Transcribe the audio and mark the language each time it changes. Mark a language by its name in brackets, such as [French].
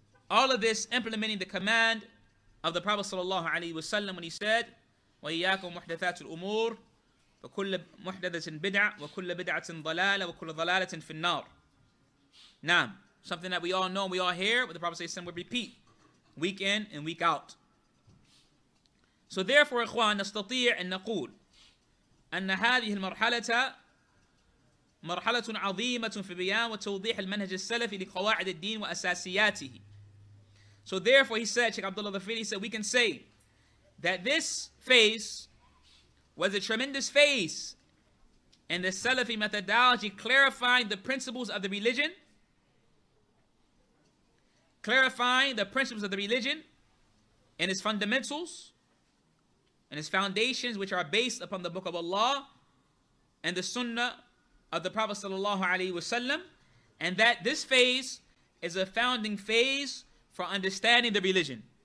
[English] All of this implementing the command of the Prophet sallallahu alaihi wasallam when he said, [Arabic] وَإِيَّاكُمْ مُحْدَثَاتُ الْأُمُورِ فَكُلَّ مُحْدَثَةٍ بِدْعَةٍ وَكُلَّ بِدْعَةٍ ضَلَالَةٍ وَكُلَّ ضَلَالَةٍ فِي النَّارِ. Naam. [English] Something that we all know, we all hear, what the Prophet ﷺ would repeat week in and week out. So therefore, ikhwan, [Arabic] نستطيع أن نقول أن هذه المرحلة مرحلة عظيمة في بيان وتوضيح المنهج السلفي لقواعد الدين وأساسياته. [English] So therefore, he said, Sheikh Abdullah Zafiri, he said, we can say that this phase was a tremendous phase in the Salafi methodology, clarifying the principles of the religion, clarifying the principles of the religion and its fundamentals and its foundations, which are based upon the Book of Allah and the Sunnah of the Prophet sallallahu alaihi wasallam, and that this phase is a founding phase for understanding the religion.